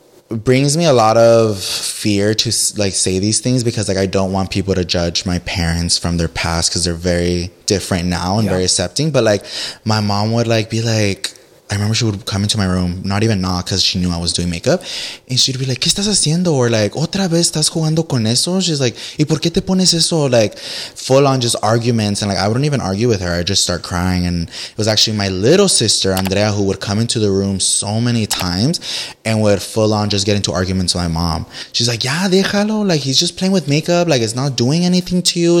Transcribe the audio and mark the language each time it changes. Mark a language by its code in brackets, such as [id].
[en] brings me a lot of fear to like say these things, because like I don't want people to judge my parents from their past, because they're very different now and very accepting. But like my mom would like be like, I remember she would come into my room, not even knock, because she knew I was doing makeup, and she'd be like, [es] ¿qué estás haciendo? Or like, ¿otra vez estás jugando con eso? She's like, ¿y por qué te pones eso? [en] Like, full on just arguments, and like, I wouldn't even argue with her. I'd just start crying, and it was actually my little sister, Andrea, who would come into the room so many times and would full on just get into arguments with my mom. She's like, [es] ya, déjalo. [en] Like, he's just playing with makeup. Like, it's not doing anything to you.